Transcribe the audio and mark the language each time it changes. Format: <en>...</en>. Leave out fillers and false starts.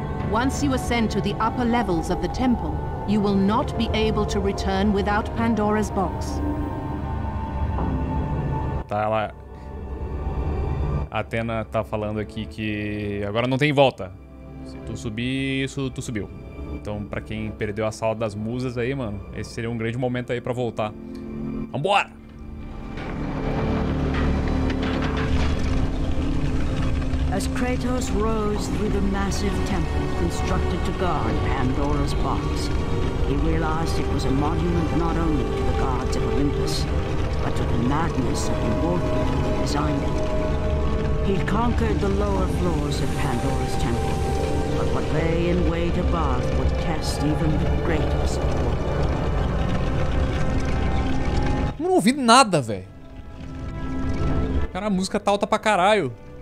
<en>Once you ascend to the upper levels of the temple, you will not be able to return without Pandora's box.</en> <pt>Tá, ela... Athena tá falando aqui que agora não tem volta. Se tu subir isso, tu subiu. Então, pra quem perdeu a sala das musas aí, mano, esse seria um grande momento aí pra voltar. Vambora!</pt> <en>As Kratos rose through the massive temple constructed to guard Pandora's box, he realized it was a monument not only to the gods of Olympus, but to the madness of the mortal who designed it. He'd conquered the lower floors of Pandora's temple, but what lay in wait above would test even the greatest of them.</en> <pt>Não ouvi nada, velho. Cara, a música tá alta pra caralho.</pt>